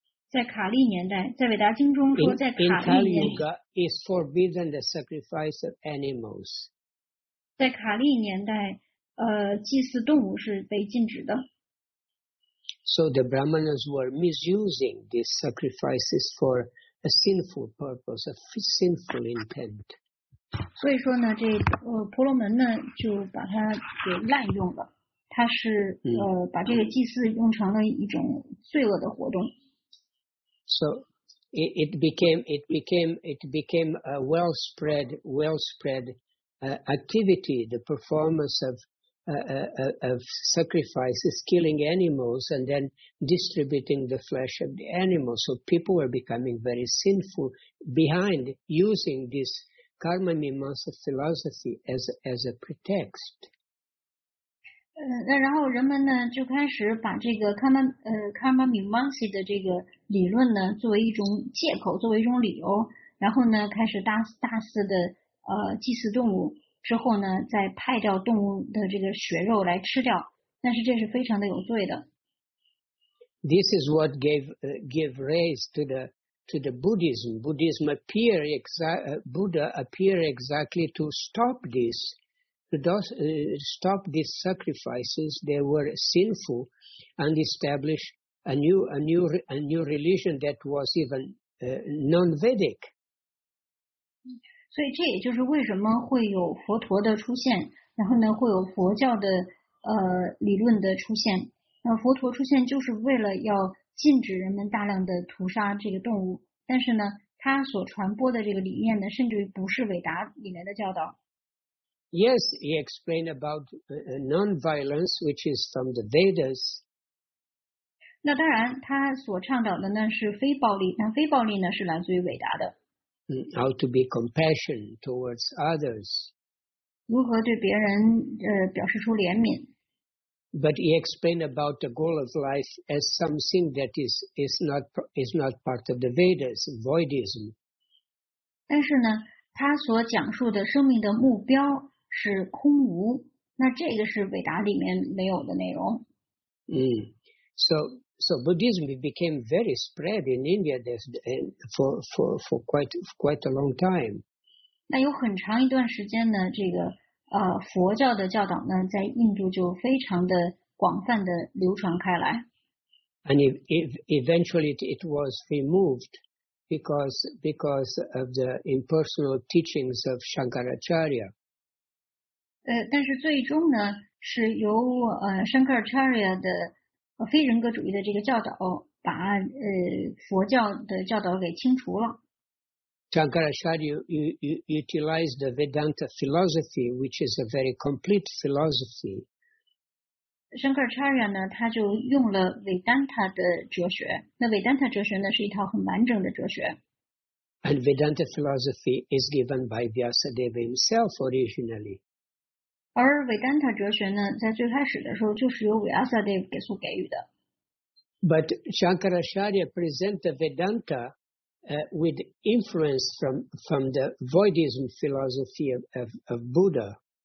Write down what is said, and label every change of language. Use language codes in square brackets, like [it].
[zh] 在卡利年代，在韦达经中说，在卡利年代 [en] in Kali Yuga is forbidden the sacrifice of animals. [zh] 在卡利年代，祭祀动物是被禁止的。 [en] So the Brahmanas were misusing these sacrifices for a sinful purpose, a sinful intent. [zh] 所以说呢，这婆罗门呢就把它给滥用了，它是把这个祭祀用成了一种罪恶的活动。 [en] So it became a well spread activity, the performance of sacrifices, killing animals and then distributing the flesh of the animals. So people were becoming very sinful behind using this karma mimamsa philosophy as a pretext. [zh] 那然后人们呢就开始把这个karma mimamsa 的这个理论呢作为一种借口，作为一种理由，然后呢，开始大肆的祭祀动物，之后呢，再派掉动物的这个血肉来吃掉，但是这是非常的有罪的。 [en] This is what gave rise to the Buddhism. Buddhism appear Buddha appear exactly to stop this, stop these sacrifices. They were sinful, and establish a new religion that was even non-Vedic. [zh] 所以这也就是为什么会有佛陀的出现，然后呢，会有佛教的理论的出现。那佛陀出现就是为了要禁止人们大量的屠杀这个动物，但是呢，他所传播的这个理念呢，甚至于不是韦达里面的教导。 [en] Yes, he explained about non-violence, which is from the Vedas. [zh] 那当然，他所倡导的呢是非暴力，那非暴力呢是来自于韦达的。 [en] How to be compassion towards others. [zh] 如何对别人表示出怜悯。 [en] But he explained about the goal of life as something that is not part of the Vedas, voidism. [zh] 但是呢，他所讲述的生命的目标是空无，那这个是韦达里面没有的内容。 [en] So Buddhism became very spread in India for quite a long time. [zh] 那有很长一段时间呢，这个。佛教的教导呢，在印度就非常的广泛的流传开来。 [en] And eventually it was removed because of the impersonal teachings of Shankaracharya. [zh] 但是最终呢，是由Shankaracharya 的非人格主义的这个教导，把佛教的教导给清除了。 [en] Shankaracharya utilized the Vedanta philosophy, which is a very complete philosophy. [zh] Shankaracharya 呢，他就用了维丹塔的哲学。那维丹塔哲学呢，是一套很完整的哲学。 [en] And Vedanta philosophy is given by Vyasadeva himself originally. [zh] 而维丹塔哲学呢，在最开始的时候就是由 Vyasadeva 给所给予的。 [en] But Shankaracharya presented Vedanta. With influence from the voidism philosophy of Buddha.